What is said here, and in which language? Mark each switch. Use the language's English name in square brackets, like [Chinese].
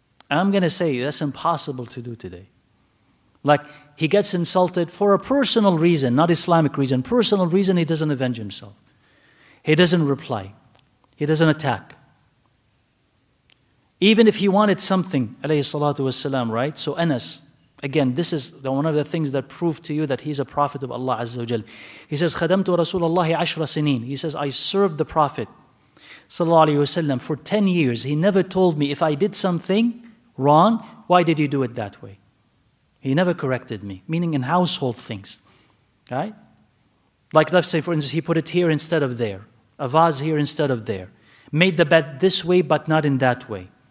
[English] I'm going to say that's impossible to do today. Like, he gets insulted for a personal reason, not Islamic reason. Personal reason, he doesn't avenge himself. He doesn't reply. He doesn't attack. Even if he wanted something, alayhi salatu wasalam, right? So Anas, again, this is one of the things that prove to you that he's a prophet of Allah Azza wa Jal. He says, [Arabic] خَدَمْتُ رَسُولَ اللَّهِ عَشْرَ سِنِينَ. [English] He says, I served the Prophet, sallallahu alayhi wasalam, for 10 years. He never told me if I did something wrong, why did you do it that way? He never corrected me, meaning in household things, right? Like, let's say, for instance, he put it here instead of there, a vase here instead of there, made the bed this way but not in that way.